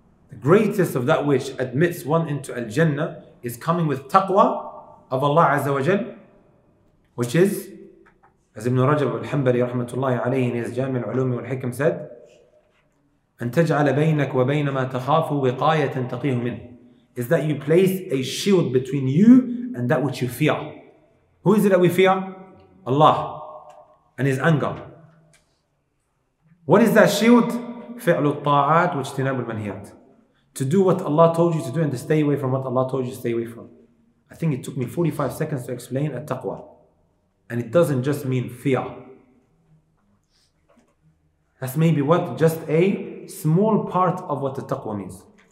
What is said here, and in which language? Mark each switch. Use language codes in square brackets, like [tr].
[en] The greatest of that which admits one into al-jannah is coming with taqwa of Allah Azza wa Jal, which is, as Ibn Rajab al-Hanbali rahmatullahi alayhi in his Jami al-Ulum wal-Hikam said, [ar] أن تجعل بينك وبين ما تخاف وقاية تقيه منه. [en] Is that you place a shield between you and that which you fear. Who is it that we fear? Allah and His anger. What is that shield? [ar] فعل الطاعات واجتناب المنهيات. [en] To do what Allah told you to do and to stay away from what Allah told you to stay away from. I think it took me 45 seconds to explain at-taqwa. And it doesn't just mean fear. That's maybe what? Just a small part of what at-taqwa means.